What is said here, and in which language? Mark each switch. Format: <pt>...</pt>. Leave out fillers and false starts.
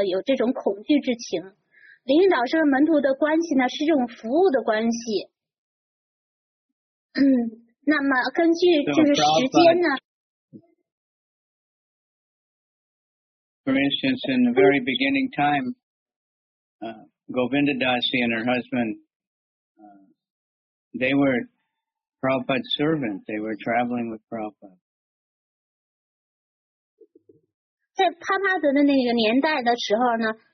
<zh>This灵性导师是门徒最好的朋友，然而呢，门徒也不应该对灵性导师过于随便，然而门徒呢，又不应该就是太惧怕灵性导师，太过分的有这种恐惧之情。灵性导师和门徒的关系呢，是这种服务的关系。那么根据就是时间呢。So,</zh> <en>for instance, in the very beginning time, Govinda Dasi and her husband, they were Prabhupada's servant. They were traveling with Prabhupada.</en> <zh>在帕帕德的那个年代的时候呢。</zh>